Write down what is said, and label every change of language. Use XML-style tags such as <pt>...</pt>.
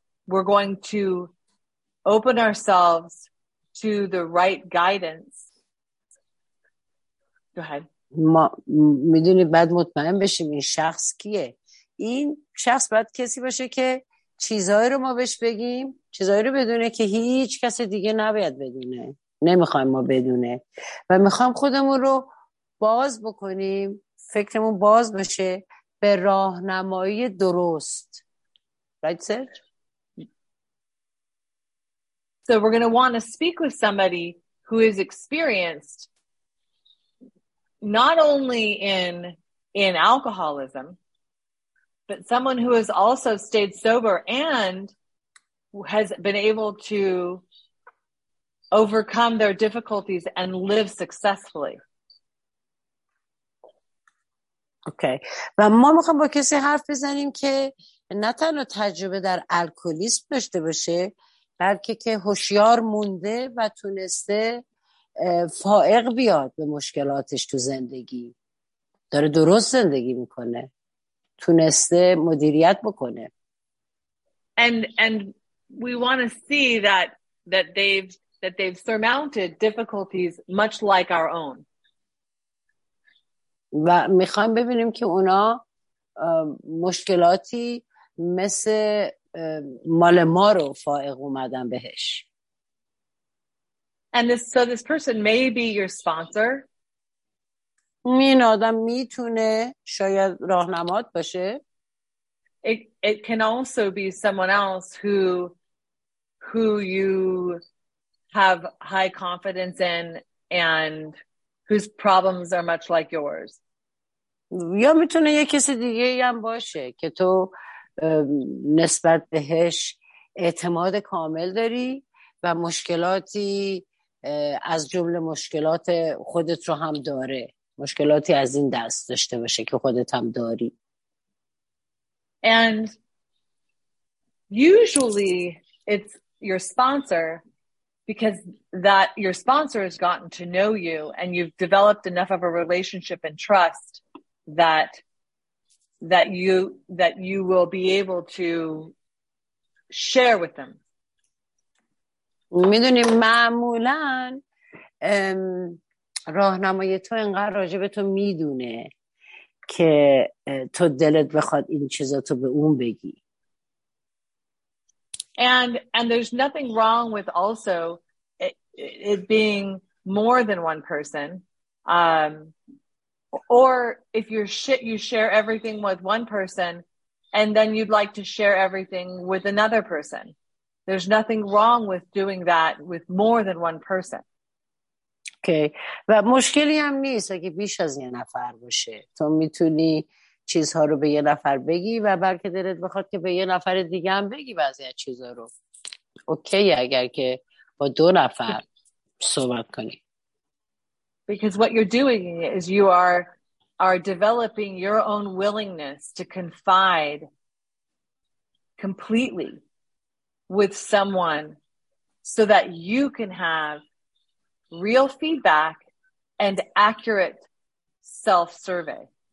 <en>We're going to open ourselves to the right guidance. Go ahead.</en> <fa>میدونی بعد مطمئن بشیم این شخص کیه. این شخص باید کسی باشه که چیزهایی رو ما بهش بگیم. چیزهایی رو بدونه که هیچ کس دیگه نباید بدونه. نمیخوایم ما بدونه. و میخوایم خودمون رو باز بکنیم. فکرمون باز بشه به راه نمایی درست.</fa> <en>Right, sir? So we're going to want to speak with somebody who is experienced not only in alcoholism, but someone who has also stayed sober and has been able to overcome their difficulties and live successfully. Okay.</en> <fa>و ما میخوام با کسی حرف بزنیم که نه تنها تجربه در الکلیسم داشته باشه بلکه که هوشیار مونده و تونسته فائق بیاد به مشکلاتش تو زندگی. داره درست زندگی میکنه. تونسته مدیریت بکنه.</fa> <en>And we want to see that they've surmounted difficulties much like our own.</en> <fa>و میخوایم ببینیم که اونا مشکلاتی مثل مال ما رو فائق اومدن بهش.</fa> <en>And this person may be your sponsor.</en> <fa>این آدم میتونه شاید راهنمات باشه.</fa> <en>It can also be someone else who you have high confidence in and whose problems are much like yours.</en> <fa>یا میتونه یه کسی دیگه هم باشه که تو نسبت بهش اعتماد کامل داری و مشکلاتی از جمله مشکلات خودت رو هم داره، مشکلاتی از این دست داشته باشه که خودت هم داری.</fa> <en>And usually it's your sponsor because that your sponsor has gotten to know you and you've developed enough of a relationship and trust that you will be able to share with them.</en> <fa>میدونی معمولا راهنمای تو انقدر راجع به تو میدونه که تو دلت بخواد این چیزا تو به اون بگی.</fa> <en>And there's nothing wrong with also it being more than one person. Or if you share everything with one person and then you'd like to share everything with another person. There's nothing wrong with doing that with more than one person. Okay.</en> <fa>و مشکلی هم نیست اگه بیش از یه نفر باشه. تو میتونی چیزها رو به یه نفر بگی و بلکه دلت بخواد که به یه نفر دیگه هم بگی بعضی از چیزها رو. اوکی اگر که با دو نفر صحبت کنی.</fa> <en>Because what you're doing is you are developing your own willingness to confide completely with someone so that you can have real feedback and accurate self-survey.</en>